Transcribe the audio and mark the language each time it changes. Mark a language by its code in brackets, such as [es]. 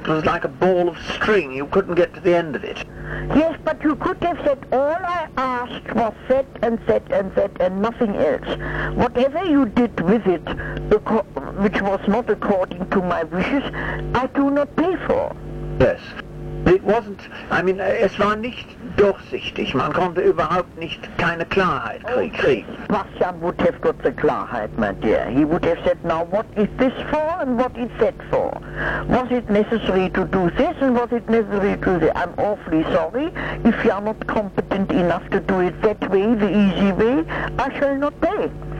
[en] It was like a ball of string. You couldn't get to the end of it. Yes, but you could have said, all I asked was that and that and that and nothing else. Whatever you did with it, which was not according to my wishes, I do not pay for. Yes. It wasn't, I mean, [de] es war nicht durchsichtig. Man konnte überhaupt nicht keine Klarheit kriegen. [en] Bastian would have got the Klarheit, my dear. He would have said, now what is this for and what is that for? Was it necessary to do this and was it necessary to do that? I'm awfully sorry. If you are not competent enough to do it that way, the easy way, I shall not pay.